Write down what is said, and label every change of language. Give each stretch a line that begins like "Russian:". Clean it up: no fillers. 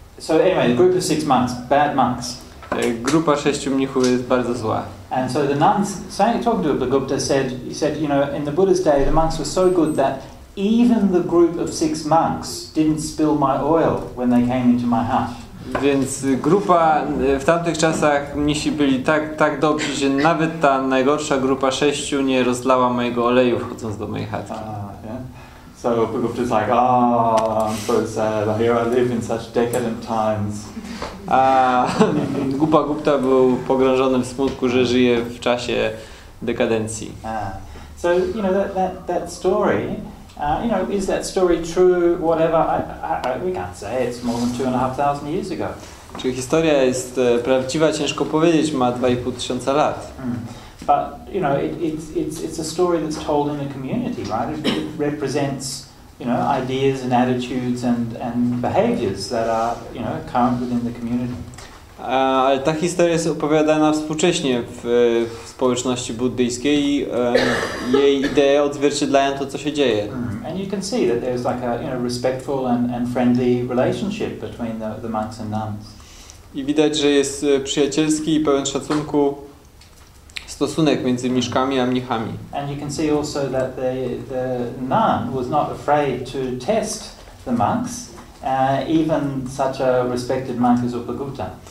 English: Anyway, the group of six monks, bad monks.
Polish: Grupa sześciu mnichów jest bardzo zła.
English: And so the nuns, talking to Bhagupta, said, you know, in the Buddha's day, the monks were so good that even the group of six monks didn't spill my oil when they came into my house.
Polish: Więc grupa w tamtych czasach mnisi byli tak dobrzy, że nawet ta najgorsza grupa sześciu nie rozlała mojego oleju wchodząc do mojej chatki.
English: So Bhagupta's like, I'm so sad. Here I live in such decadent times.
Polish: A grupa Gupta był pogrążony w smutku, że żyje w czasie dekadencji.
English: So you know that story. You know, is that story true? Whatever, we can't say. It's more than 2,500 years ago.
Polish: Czy historia jest prawdziwa? Ciężko powiedzieć. Ma 2,500 lat.
English: But you know, it's a story that's told in a community, right? It represents, you know, ideas and attitudes and behaviors that are, you know, current within the community.
Polish: Ale ta historia jest opowiadana współcześnie w społeczności buddyjskiej i jej idee odzwierciedlają to, co się dzieje.
English: And you can see that there's like a, you know, respectful and friendly relationship between the monks and nuns.
Polish: I widać, że jest przyjacielski i pełen szacunku stosunek między mniszkami a mnichami.
English: And you can see also that the nun was not afraid to test the monks, even such a respected monk as Upagupta.